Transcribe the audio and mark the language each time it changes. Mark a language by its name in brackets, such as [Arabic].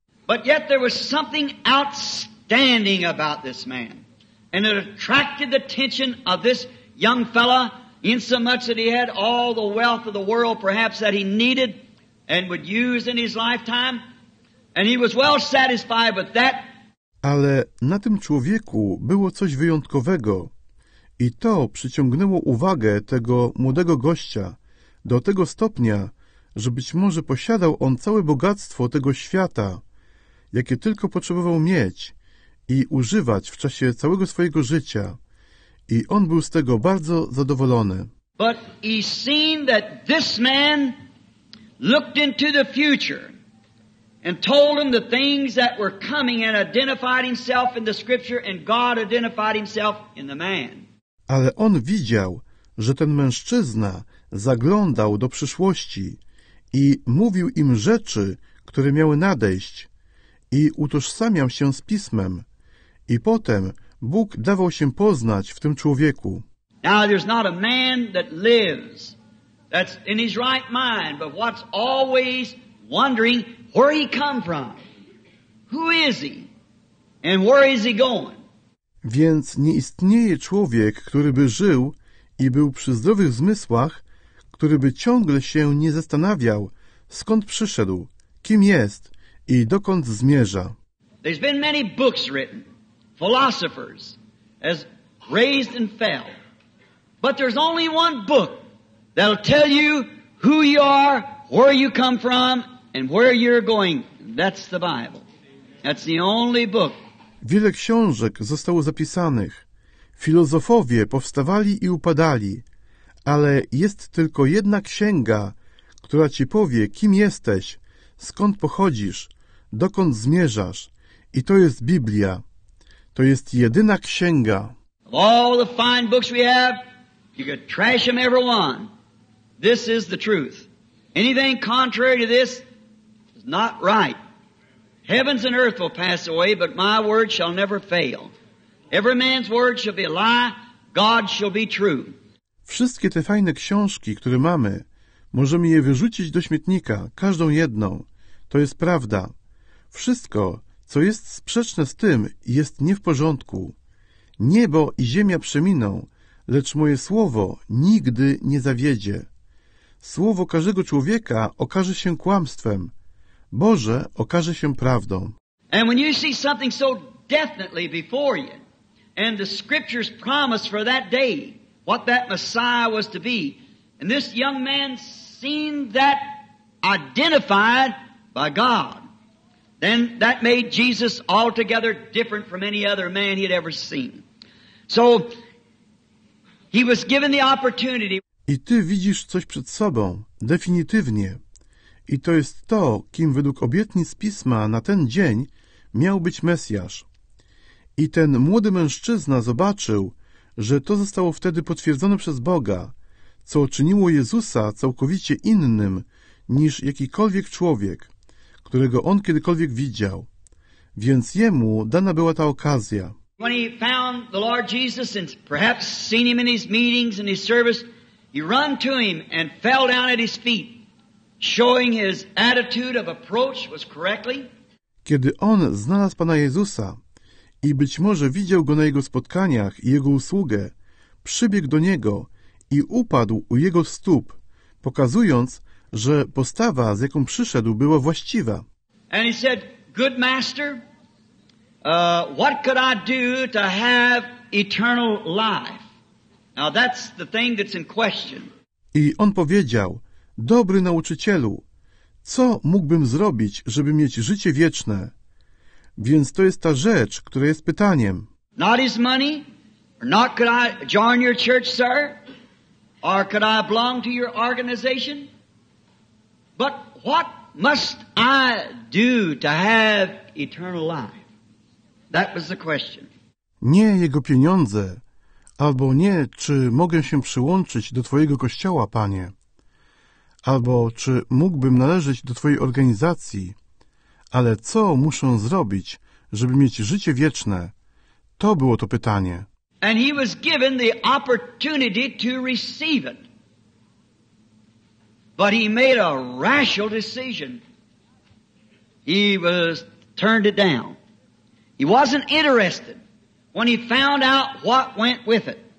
[English] But yet there was something outstanding about this man. And it attracted the attention of this young fella insomuch that he had all the wealth of the world perhaps that he needed and would use in his lifetime. And he was well satisfied with that. [Polish] Ale na tym człowieku było coś wyjątkowego. I to przyciągnęło uwagę tego młodego gościa do tego stopnia, że być może posiadał on całe bogactwo tego świata, jakie tylko potrzebował mieć i używać w czasie całego swojego życia. I on był z tego bardzo zadowolony. [English] But he seen that this man looked into the future and told him the things that were coming and identified himself in the scripture and God identified himself in the man. [Polish] Ale on widział, że ten mężczyzna zaglądał do przyszłości i mówił im rzeczy, które miały nadejść, i utożsamiał się z Pismem. I potem Bóg dawał się poznać w tym człowieku. [English] Now there's not a man that lives that's in his right mind, but what's always wondering where he come from. Who is he? And where is he going? [Polish] Więc nie istnieje człowiek, który by żył i był przy zdrowych zmysłach, który by ciągle się nie zastanawiał, skąd przyszedł, kim jest i dokąd zmierza. [English] There's been many books written, philosophers, as raised and fell. But there's only one book that'll tell you who you are, where you come from, and where you're going. That's the Bible. That's the only book. [Polish] Wiele książek zostało zapisanych. Filozofowie powstawali i upadali. Ale jest tylko jedna księga, która ci powie, kim jesteś, skąd pochodzisz, dokąd zmierzasz. I to jest Biblia. To jest jedyna księga. [English] Of all the fine books we have, you could trash them every one. This is the truth. Anything contrary to this is not right. Heavens and earth will pass away, but my word shall never fail. Every man's word shall be a lie, God shall be true. [Polish] Wszystkie te fajne książki, które mamy, możemy je wyrzucić do śmietnika, każdą jedną. To jest prawda. Wszystko, co jest sprzeczne z tym, jest nie w porządku. Niebo i ziemia przeminą, lecz moje słowo nigdy nie zawiedzie. Słowo każdego człowieka okaże się kłamstwem. Boże okaże się prawdą. [English] And when you see something so definitely before you, and the scriptures promise for that day what that Messiah was to be, and this young man seen that identified by God. then that made Jesus altogether different from any other man he had ever seen. So he was given the opportunity. [Polish] I ty widzisz coś przed sobą, definitywnie. I to jest to, kim według obietnic Pisma na ten dzień miał być Mesjasz. I ten młody mężczyzna zobaczył, że to zostało wtedy potwierdzone przez Boga, co czyniło Jezusa całkowicie innym niż jakikolwiek człowiek, którego on kiedykolwiek widział. Więc jemu dana była ta okazja. [English] When he found the Lord Jesus and perhaps seen him in his meetings and his service, he ran to him and fell down at his feet, showing his attitude of approach was correctly. [Polish] Kiedy on znalazł Pana Jezusa i być może widział go na jego spotkaniach i jego usługę, przybiegł do niego i upadł u jego stóp, pokazując, że postawa, z jaką przyszedł, była właściwa. [English] And he said, good master, what could I do to have eternal life? Now that's the thing that's in question. [Polish] I on powiedział, dobry nauczycielu, co mógłbym zrobić, żeby mieć życie wieczne? Więc to jest ta rzecz, która jest pytaniem. [English] Not his money, or not could I join your church, sir, or could I belong to your organization? But what must I do to have eternal life? That was the question. [Polish] Nie jego pieniądze, albo nie, czy mogę się przyłączyć do Twojego kościoła, Panie, albo czy mógłbym należeć do Twojej organizacji, ale co muszę zrobić, żeby mieć życie wieczne? To było to pytanie. [English] And he was given the opportunity to receive it. But he made a rational decision. He was turned it down. He wasn't interested when he found out what went with it.